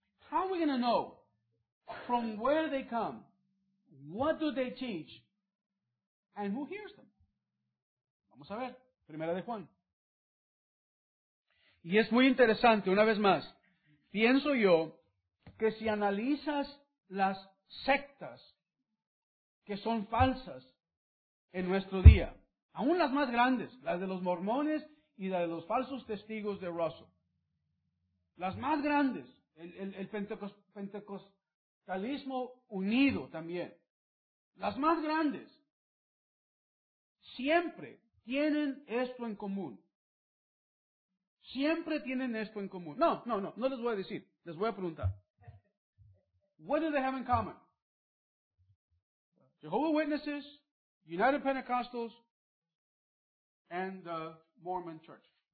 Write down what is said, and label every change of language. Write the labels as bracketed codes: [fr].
[en] How are we going to know from where they come, what do they teach, and who hears them? [es] Vamos a ver. Primera de Juan. Y es muy interesante, una vez más, pienso yo que si analizas las sectas que son falsas en nuestro día, aún las más grandes, las de los mormones y la de los falsos testigos de Russell. Las más grandes, el pentecostalismo unido también. Las más grandes siempre tienen esto en común. Siempre tienen esto en común. No les voy a decir, les voy a preguntar. [en] What do they have in common? Jehovah's Witnesses, United Pentecostals, and the Mormon Church.